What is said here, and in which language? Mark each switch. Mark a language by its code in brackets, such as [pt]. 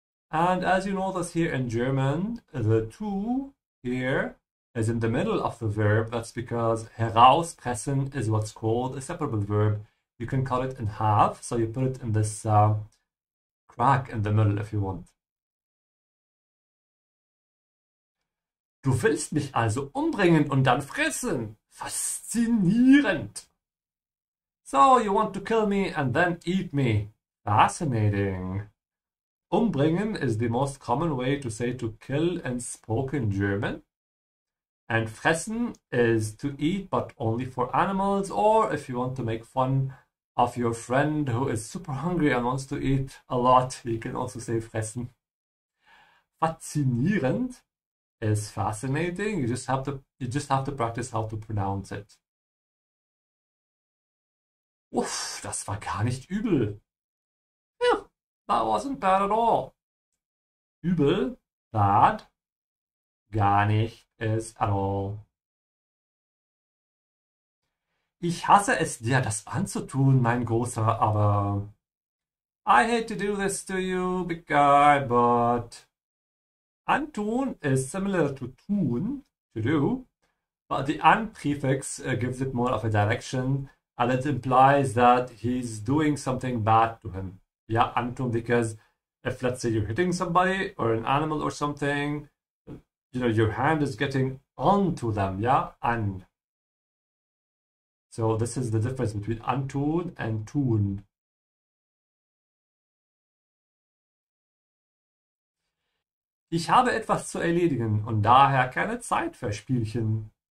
[en] And as you notice here in German, the to here is in the middle of the verb. That's because herauspressen is what's called a separable verb. You can cut it in half, so you put it in this crack in the middle if you want. [de] Du willst mich also umbringen und dann fressen. Faszinierend. [en] So, you want to kill me and then eat me. Fascinating. Umbringen is the most common way to say to kill in spoken German. And fressen is to eat, but only for animals. Or if you want to make fun of your friend who is super hungry and wants to eat a lot, you can also say fressen. Faszinierend is fascinating. You just have to practice how to pronounce it. [de] Uff, das war gar nicht übel. [en] Yeah, that wasn't bad at all. Übel, bad, gar nicht is at all. [de] Ich hasse es dir, das anzutun, mein Großer, aber... [en] I hate to do this to you, big guy, but... Antun is similar to tun, to do, but the an prefix gives it more of a direction, and it implies that he's doing something bad to him. Yeah, antun, because if, let's say, you're hitting somebody or an animal or something, you know, your hand is getting onto them, yeah, an. So this is the difference between antun and tun. [de] Ich habe etwas zu erledigen und daher keine Zeit für Spielchen.